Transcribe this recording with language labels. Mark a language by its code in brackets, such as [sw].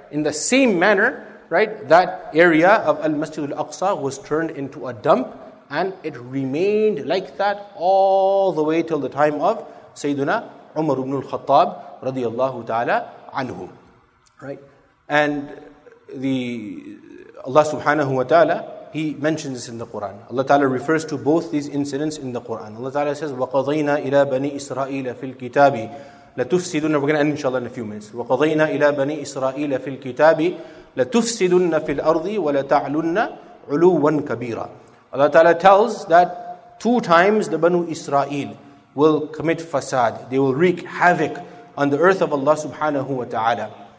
[en] In the same manner, right, that area of Al-Masjid Al-Aqsa was turned into a dump, and it remained like that all the way till the time of Sayyiduna Umar ibn al-Khattab radiyallahu ta'ala anhu, right? And the Allah subhanahu wa ta'ala, he mentions this in the Quran. Allah ta'ala refers to both these incidents in the Quran. Allah ta'ala says, [ar] وَقَضَيْنَا إِلَىٰ بَنِي إِسْرَائِيلَ فِي الْكِتَابِ لَتُفْسِدُنَّ. [en] We're going to end inshallah in a few minutes. [ar] وَقَضَيْنَا إِلَىٰ بَنِي إِسْرَائِيلَ فِي الْكِتَابِ لَتُفْسِدُنَّ فِي الْأَرْضِ وَلَتَعْلُنَّ عُلُوًّا كَبِيرًا. [en] Allah ta'ala tells that two times the Banu Israel will commit fasad. They will wreak havoc on the earth of Allah subhanahu wa ta'ala.